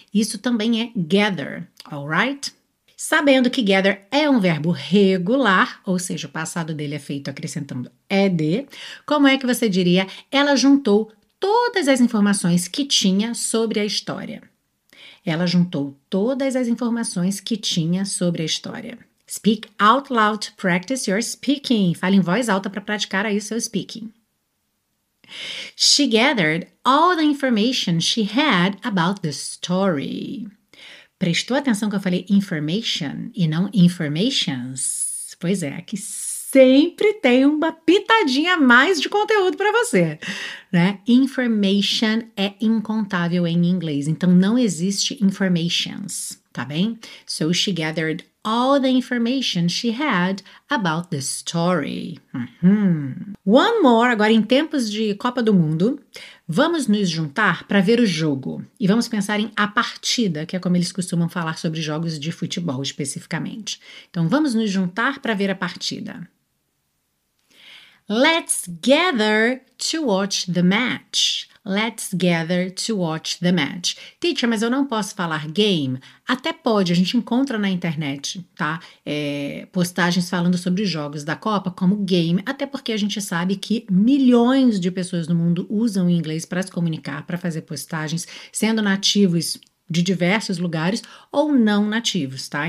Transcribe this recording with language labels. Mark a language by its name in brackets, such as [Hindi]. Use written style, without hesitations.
[Portuguese] Isso também é gather, alright? Sabendo que gather é um verbo regular, ou seja, o passado dele é feito acrescentando ed, como é que você diria? Ela juntou todas as informações que tinha sobre a história. Ela juntou todas as informações que tinha sobre a história. [English] Speak out loud to practice your speaking. [Portuguese] Fale em voz alta para praticar aí seu speaking. [English] She gathered all the information she had about the story. [Portuguese] Prestou atenção que eu falei information e não informations? Pois é, aqui sempre tem uma pitadinha a mais de conteúdo para você, né? Information é incontável em inglês, então não existe informations, tá bem? [English] So she gathered all the information she had about the story. Uhum. One more, [Portuguese] agora em tempos de Copa do Mundo, vamos nos juntar para ver o jogo e vamos pensar em a partida, que é como eles costumam falar sobre jogos de futebol especificamente. Então vamos nos juntar para ver a partida. [English] Let's gather to watch the match. Let's gather to watch the match. [Portuguese] Teacher, mas eu não posso falar game? Até pode, a gente encontra na internet, tá? Postagens falando sobre jogos da Copa como game, até porque a gente sabe que milhões de pessoas no mundo usam o inglês para se comunicar, para fazer postagens, sendo nativos de diversos lugares ou não nativos, tá?